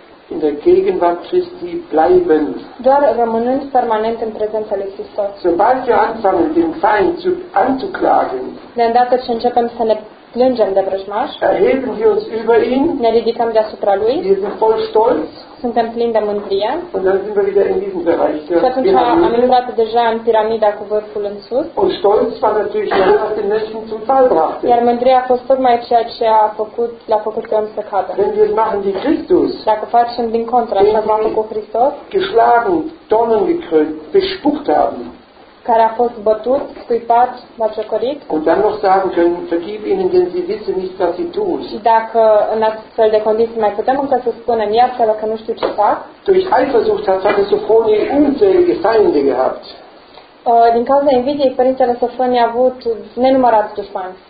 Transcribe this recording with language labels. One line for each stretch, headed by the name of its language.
German: In der Gegenwart Christi bleiben.
Romanian: Doar rămânând permanent în prezența lui Hristos.
German: Sobald wir anfangen, den Feind anzuklagen,
Romanian: de îndată ce începem să ne plângem de vrăjmaș,
German: erheben wir uns über ihn,
Romanian: ne ridicăm deasupra lui,
German: wir sind voll stolz,
Romanian: suntem plini de mândrie,
German: und dann sind wir wieder in diesem Bereich.
Romanian: Și atunci am intrat deja în piramida cu vârful în sus,
German: und stolz war natürlich das, was den Menschen zum Fall brachte.
Romanian: Iar mândria a fost tocmai ceea ce l-a făcut pe om să cadă.
German: Wenn wir machen wie Christus,
Romanian: dacă facem din contra, așa cum a făcut Hristos,
German: geschlagen, Dornen gekrönt, bespuckt haben,
Romanian: care a fost bătut, scuipat, macocorit.
German: Und dann noch sagen können, vergib ihnen, denn sie wissen nicht, was sie tun.
Romanian: Și dacă în astfel de condiții mai putem încă să spunem, iartă-le că nu știu ce fac.
German: Durch Eifersucht hat Vater Sofronie unzählige Feinde gehabt.
Romanian: Din cauza invidiei, Părintele Sofronie a avut nenumărat dușmani.